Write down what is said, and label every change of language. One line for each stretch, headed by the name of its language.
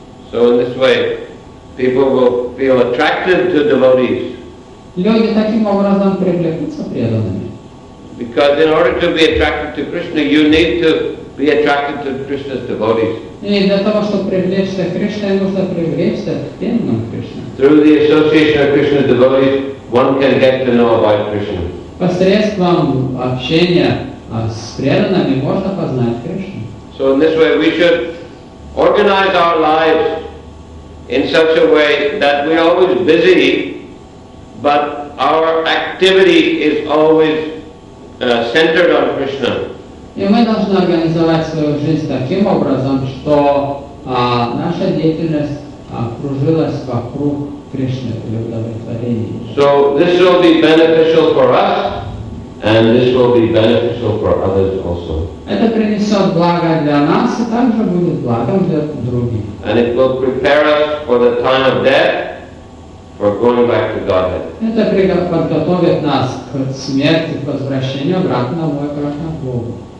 English: So in this way, people will feel attracted to devotees.
Russian: Люди таким образом привлекутся преданными.
English: Because in order to be attracted to Krishna, you need to be attracted to Krishna's devotees.
Russian: И для того, чтобы привлечься к Кришне, нужно привлечься к преданным Кришне.
English: Through the association of Krishna's devotees, one can get to know about Krishna.
Russian: Посредством общения с преданными можно познать Кришну.
English: So in this way, we should organize our lives in such a way that we are always busy, but our activity is always centered on Krishna.
Russian: И мы должны организовать свою жизнь таким образом, что наша деятельность кружилась вокруг Кришны или удовлетворения.
English: So this will be beneficial for us, and this will be beneficial for others also.
Russian: Это принесет благо для нас и также будет благом для других.
English: And it will prepare us for the time of death, for going back to Godhead.
Russian: Это подготовит нас к смерти, к возвращению обратно в обратно к Богу.